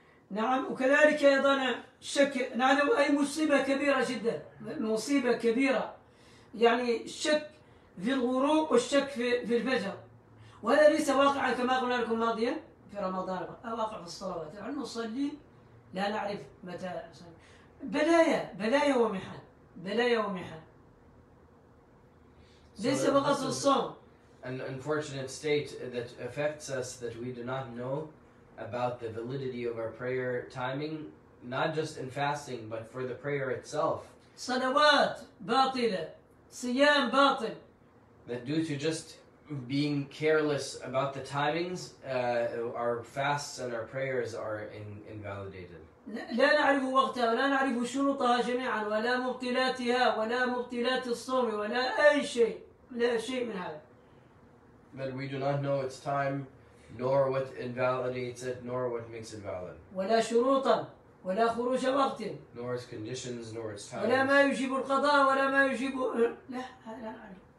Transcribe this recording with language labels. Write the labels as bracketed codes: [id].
[ar] نعم وكذلك أيضا شك نعلم أي مصيبة كبيرة جدا مصيبة كبيرة يعني شك في الغروب والشك في الفجر وهذا ليس واقعا كما قلنا لكم ماضيا في رمضان واقع في الصلوات نحن نصلي لا نعرف متى نصلي بلايا ومحن بلايا ومحن ليس بقصد الصوم [en] an unfortunate state that affects us that we do not know about the validity of our prayer timing not just in fasting but for the prayer itself [ar] صلوات باطلة صيام باطل [en] That due to just being careless about the timings, our fasts and our prayers are invalidated. [ar] لا نعرف وقتها ولا نعرف شروطها جميعا ولا مبطلاتها ولا مبطلات الصوم ولا أي شيء لا شيء من هذا. [en] But we do not know its time, nor what invalidates it, nor what makes it valid. [ar] ولا شروطا ولا خروج وقت. [en] Nor its conditions, nor its times. [ar] ولا ما يجيب القضاء ولا ما يجيب لا لا نعرف.